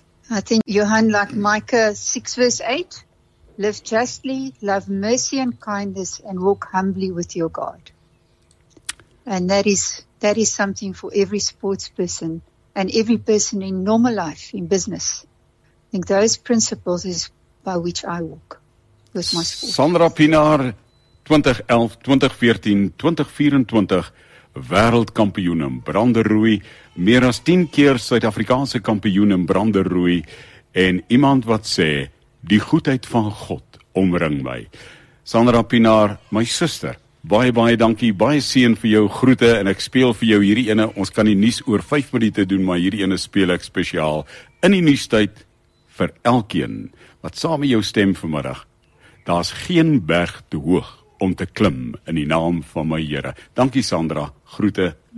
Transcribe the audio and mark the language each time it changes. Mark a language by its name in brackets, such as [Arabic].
[English] I think Johann, like Micah 6 verse 8, live justly, love mercy and kindness, and walk humbly with your God. And that is something for every sports person and every person in normal life, in business. I think those principles is by which I walk with my sports. Sandra Pinar, 2011, 2014, 2024. [Afrikaans] Wereldkampioen in branderoei, meer as 10 keer Suid-Afrikaanse kampioen in branderoei en iemand wat sê, die goedheid van God omring my. Sandra Pinar, my suster, baie baie dankie, baie seën vir jou groete en ek speel vir jou hierdie ene, ons kan die nuus oor 5 minute doen, maar hierdie ene speel ek spesiaal in die nuustyd vir elkeen wat saam met jou stem vanmiddag. Daar's geen berg te hoog om te klim in die naam van my Here. Dankie Sandra, groete, liefde.